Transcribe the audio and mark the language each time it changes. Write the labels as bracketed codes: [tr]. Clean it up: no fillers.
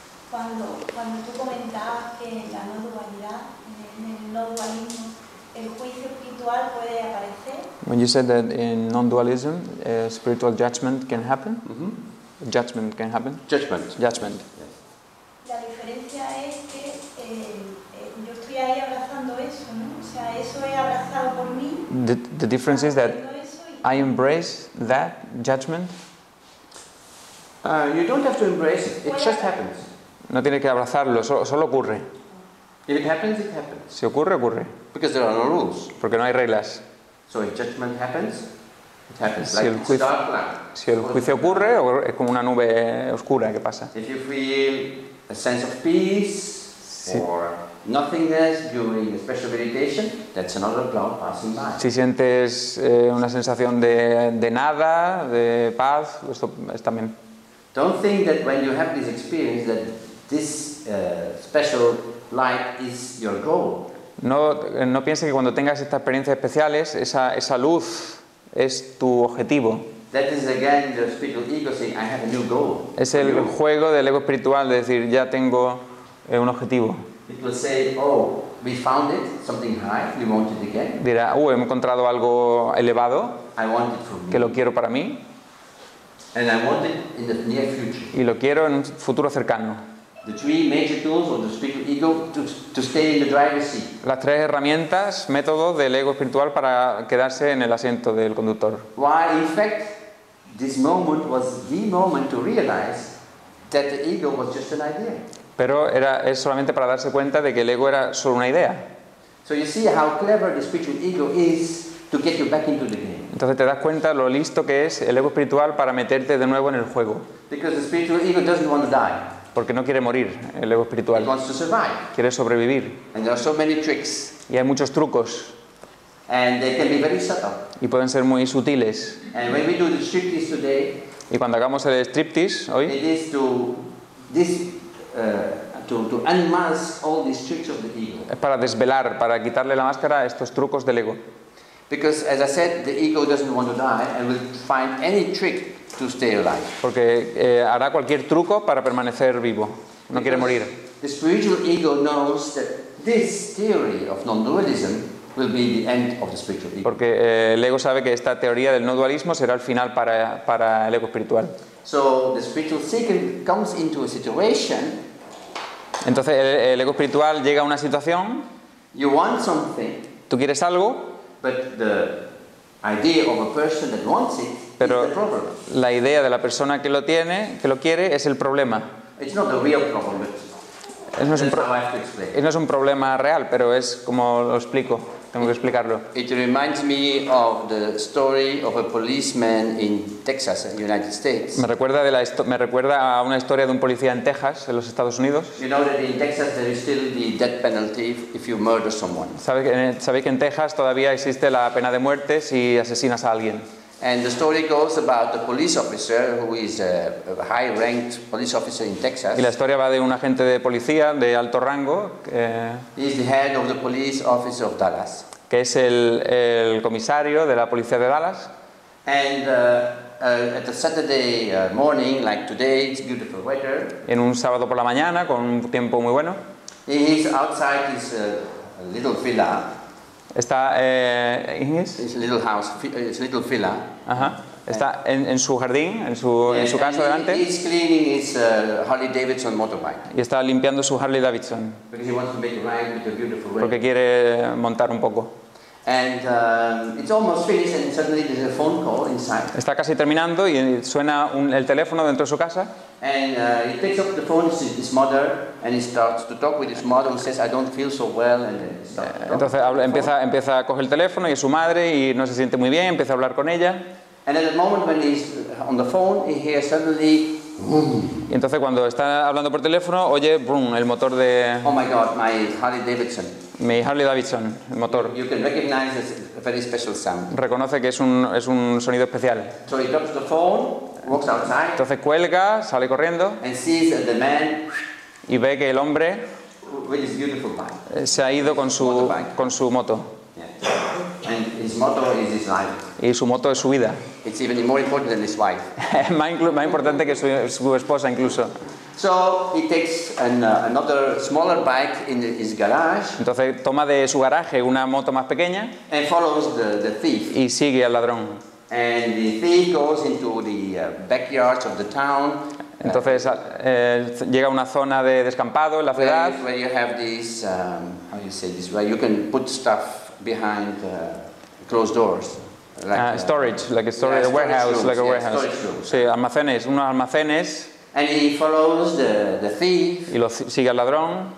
[es] cuando tú comentabas que la no dualidad, en el no dualismo, el juicio espiritual puede aparecer. [en] When you said that in non-dualism, spiritual judgment can happen. Mm-hmm. Judgment can happen. Judgment. Judgment. Yes. [es] La diferencia es que yo estoy ahí abrazando eso, ¿no? O sea, eso es abrazado por mí. [en] The difference is that I embrace that judgment. You don't have to embrace it. It just happens. [es] No tiene que abrazarlo. Solo ocurre. [en] If it happens, it happens. [es] Si ocurre, ocurre. [en] Because there are no rules. [es] Porque no hay reglas. [en] So if judgment happens, it happens. Si like el juicio, dark cloud. [es] Si el juicio ocurre, es como una nube oscura que pasa. [en] If you feel a sense of peace or nothingness during a special meditation, that's another cloud passing by. [es] Si sientes una sensación de nada, de paz, esto es también. [en] Don't think that when you have this experience that this special light is your goal. [es] No pienses que cuando tengas estas experiencias especiales, esa luz es tu objetivo. [en] That is again the spiritual ego saying, I have a new goal. [es] Es el juego del ego espiritual de decir, ya tengo un objetivo. [en] It will say, oh, we found it, something high, we want it again. [es] Dirá, hemos encontrado algo elevado, [en] I want it for me. [es] Que lo quiero para mí. [en] And I want it in the near future. [es] Y lo quiero en un futuro cercano. [en] The three major tools of the spiritual ego to stay in the driver's seat. [es] Las tres herramientas, métodos del ego espiritual para quedarse en el asiento del conductor. [en] Why, in fact, this moment was the moment to realize that the ego was just an idea. [es] Pero es solamente para darse cuenta de que el ego era solo una idea. [en] So you see how clever the spiritual ego is to get you back into the game. [es] Entonces te das cuenta lo listo que es el ego espiritual para meterte de nuevo en el juego. [en] Because the spiritual ego doesn't want to die. [es] Porque no quiere morir el ego espiritual. [en] He wants to survive. [es] Quiere sobrevivir. [en] And there are so many tricks. [es] Y hay muchos trucos. [en] And they can be very subtle. [es] Y pueden ser muy sutiles. [en] And when we do the striptease today, [es] y cuando hagamos el striptease hoy, [en] it is to this to unmask all these tricks of the ego. [es] Es para desvelar, para quitarle la máscara a estos trucos del ego. [en] Because as I said, the ego doesn't want to die and will find any trick to stay alive. [es] Porque hará cualquier truco para permanecer vivo. No quiere morir. [en] The spiritual ego knows that this theory of non-dualism will be the end of the spiritual ego. [es] Porque el ego sabe que esta teoría del no dualismo será el final para el ego espiritual. [en] So the spiritual seeker comes into a situation. [es] Entonces el ego espiritual llega a una situación. [en] You want something. [es] Tú quieres algo. [en] But the idea of a person that wants it. [es] Pero la idea de la persona que lo tiene, que lo quiere, es el problema. [en] It's not the real problem, but [es] no es un problema. No es un problema real, pero es como lo explico. Tengo que explicarlo. [en] It reminds me of the story of a policeman in Texas, United States. [es] Me recuerda a una historia de un policía en Texas, en los Estados Unidos. [en] You know that in Texas there is still the death penalty if you murder someone. [es] Sabéis que en Texas todavía existe la pena de muerte si asesinas a alguien. [en] And the story goes about a police officer who is a high-ranked police officer in Texas. [es] Y la historia va de un agente de policía de alto rango. [en] He's the head of the police office of Dallas. [es] Que es el comisario de la policía de Dallas. [en] And at a Saturday morning, like today, it's beautiful weather. [es] En un sábado por la mañana con un tiempo muy bueno. [en] He's outside his little villa. [es] Está [en] his little villa. [es] Está en su jardín, en su casa delante. [en] He's cleaning his Harley Davidson motorbike. [es] Y está limpiando su Harley Davidson. [en] Because he wants to make a ride with a beautiful [es] wheel. Porque quiere montar un poco. [en] And it's almost finished, and suddenly there's a phone call inside. [es] Está casi terminando y suena el teléfono dentro de su casa. [en] And he picks up the phone, his mother, and he starts to talk with his mother, who says, "I don't feel so well." And then he starts to talk. [es] Entonces empieza a coger el teléfono y es su madre y no se siente muy bien. Empieza a hablar con ella. [en] And at the moment when he's on the phone, he hears suddenly. [es] Y entonces cuando está hablando por teléfono, oye, boom, el motor de. [en] Oh my God, my Harley Davidson. [es] Mi Harley Davidson, el motor. [en] You can recognize a very special sound. [es] Reconoce que es un sonido especial. [en] So he drops the phone, walks outside. [es] Entonces cuelga, sale corriendo. [en] And sees the man. [es] Y ve que el hombre. [en] With his beautiful bike. [es] Se ha ido con su moto. [en] Yeah. And his moto is his life. [es] Y su moto es su vida. [en] It's even more important than his wife. [es] Más importante que su esposa incluso. [en] So he takes another smaller bike in his garage. [es] Entonces toma de su garaje una moto más pequeña. [en] And follows the thief. [es] Y sigue al ladrón. [en] And the thief goes into the backyard of the town. [es] Entonces llega a una zona de descampado en la ciudad. [en] Where you have these, how you say this? Where you can put stuff behind closed doors. Like storage, like a storage, yeah, a warehouse, storage rooms, like a warehouse. Yeah, storage rooms. [es] Sí, almacenes, unos almacenes. [en] And he follows the thief. [es] Y lo sigue al ladrón.